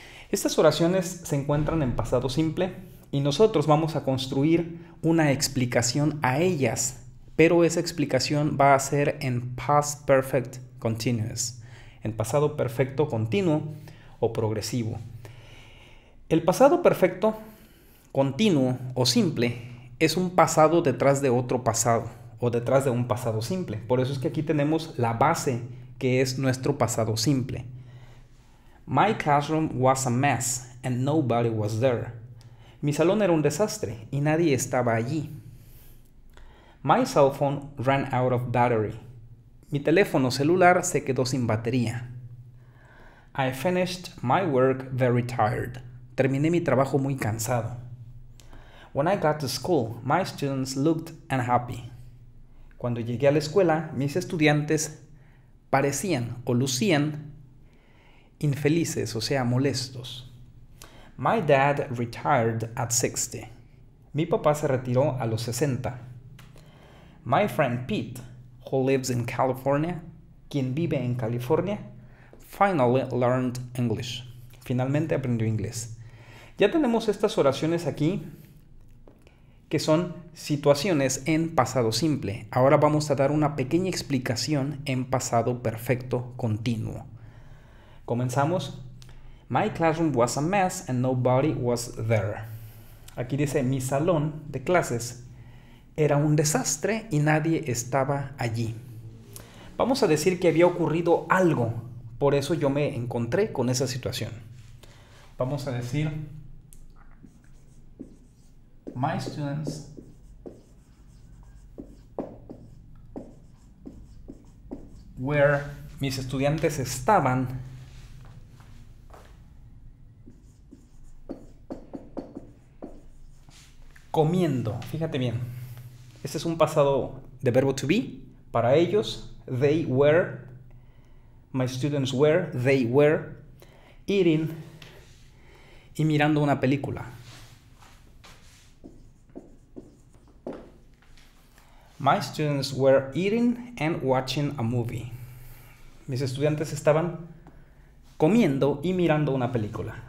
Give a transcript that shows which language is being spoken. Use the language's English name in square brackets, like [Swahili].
[Spanish] Estas oraciones se encuentran en pasado simple y nosotros vamos a construir una explicación a ellas, pero esa explicación va a ser en [English] past perfect continuous, [Spanish] en pasado perfecto continuo o progresivo. El pasado perfecto continuo o simple es un pasado detrás de otro pasado o detrás de un pasado simple. Por eso es que aquí tenemos la base que es nuestro pasado simple. [English] My classroom was a mess and nobody was there. [Spanish] Mi salón era un desastre y nadie estaba allí. [English] My cell phone ran out of battery. [Spanish] Mi teléfono celular se quedó sin batería. [English] I finished my work very tired. [Spanish] Terminé mi trabajo muy cansado. [English] When I got to school, my students looked unhappy. [Spanish] Cuando llegué a la escuela, mis estudiantes parecían o lucían infelices, o sea, molestos. [English] My dad retired at 60. [Spanish] Mi papá se retiró a los 60. [English] My friend Pete, who lives in California, [Spanish] quien vive en California, [English] finally learned English. [Spanish] Finalmente aprendió inglés. Ya tenemos estas oraciones aquí que son situaciones en pasado simple. Ahora vamos a dar una pequeña explicación en pasado perfecto continuo. Comenzamos. My classroom was a mess and nobody was there. Aquí dice mi salón de clases. Era un desastre y nadie estaba allí. Vamos a decir que había ocurrido algo, por eso yo me encontré con esa situación. Vamos a decir, [English] my students were, [Spanish] mis estudiantes estaban comiendo. Fíjate bien. Este es un pasado de verbo to be. Para ellos, [English] they were, my students were, they were eating [Spanish] y mirando una película. [English] My students were eating and watching a movie. [Spanish] Mis estudiantes estaban comiendo y mirando una película.